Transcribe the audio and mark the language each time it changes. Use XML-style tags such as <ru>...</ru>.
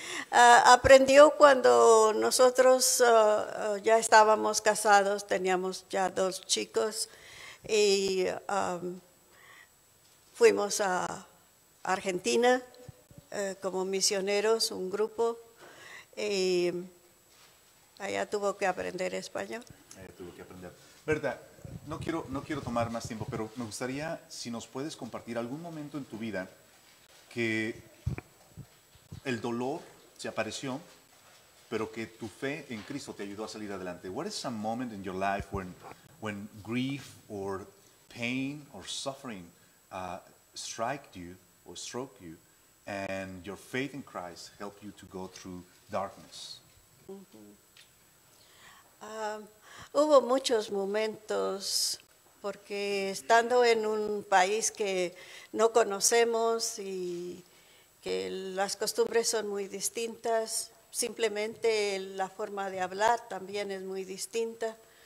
<es>Aprendió cuando nosotros ya estábamos casados, teníamos ya dos chicos y fuimos a Argentina como misioneros, un grupo, y allá tuvo que aprender español. Allá tuvo que aprender. Berta, no quiero tomar más tiempo, pero me gustaría si nos puedes compartir algún momento en tu vida que el dolor se apareció, pero que tu fe en Cristo te ayudó a salir adelante.</es> <en>What is some moment in your life when grief or pain or suffering struck you or stroke you and your faith in Christ helped you to go through darkness? Mm-hmm.</en> <es>Hubo muchos momentos porque estando en un país que no conocemos y que las costumbres son muy distintas, simplemente la forma de hablar también es muy distinta.</es>